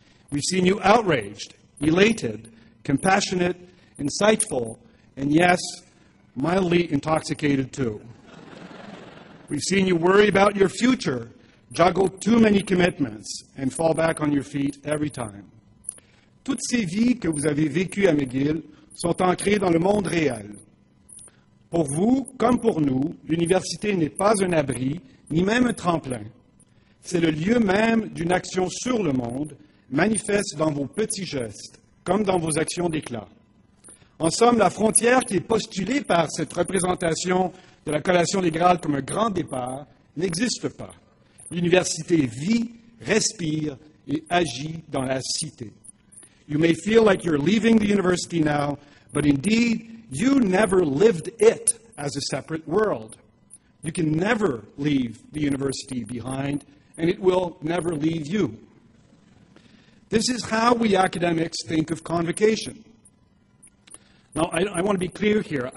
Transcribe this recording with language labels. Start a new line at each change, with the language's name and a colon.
English: We've seen you outraged, elated, compassionate, insightful, and yes, mildly intoxicated too. We've seen you worry about your future, juggle too many commitments, and fall back on your feet every time.
French: Toutes ces vies que vous avez vécues à McGill sont ancrées dans le monde réel. Pour vous, comme pour nous, l'université n'est pas un abri, ni même un tremplin. C'est le lieu même d'une action sur le monde, manifeste dans vos petits gestes, comme dans vos actions d'éclat. En somme, la frontière qui est postulée par cette représentation de la collation des grades comme un grand départ n'existe pas. L'université vit, respire et agit dans la cité.
English: You may feel like you're leaving the university now, but indeed, you never lived it as a separate world. You can never leave the university behind, and it will never leave you. This is how we academics think of convocation. Now, I want to be clear here.